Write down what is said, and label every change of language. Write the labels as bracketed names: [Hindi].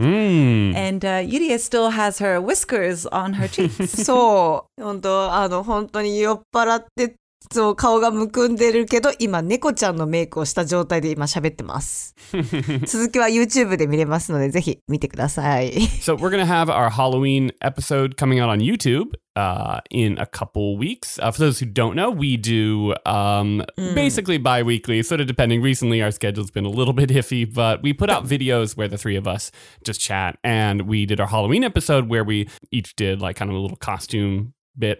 [English] And Yuria still has her whiskers on her cheeks. [Japanese] そう。本当、本当に酔っ払って、そう、顔がむくんでるけど、今、猫ちゃんのメイクをした状態で今喋ってます。続きは YouTube で見れますので、ぜひ見てください。 [English] So we're gonna have our Halloween episode coming out on YouTube. In a couple weeks. For those who don't know, we do basically bi-weekly, sort of depending. Recently, our schedule's been a little bit iffy, but we put out videos where the three of us just chat, and we did our Halloween episode where we each did like kind of a little costume bit.